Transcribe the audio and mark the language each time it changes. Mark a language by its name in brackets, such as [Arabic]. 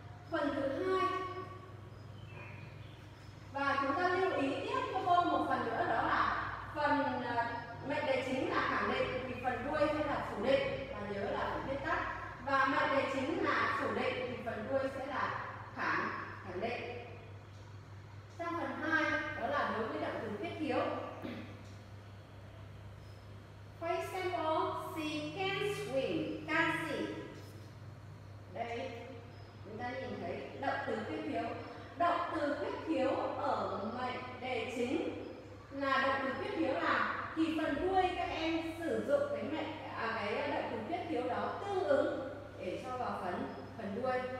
[Vietnamese] Phần thứ hai, và chúng ta lưu ý tiếp cho cô một phần nữa, đó là phần mệnh đề chính là khẳng định thì phần đuôi sẽ là phủ định, và nhớ là phải viết tắt. Và mệnh đề chính là phủ định thì phần đuôi sẽ là khẳng định. Sang phần 2, đó là đối với động từ thiết thiếu. [English] For example, she can swim, can she? [Vietnamese] Đây, chúng ta nhìn thấy động từ thiết thiếu. Động từ thiết thiếu ở mệnh đề chính là động từ thiết thiếu nào? Thì phần đuôi các em sử dụng cái động từ thiết thiếu đó tương ứng để cho vào phần đuôi.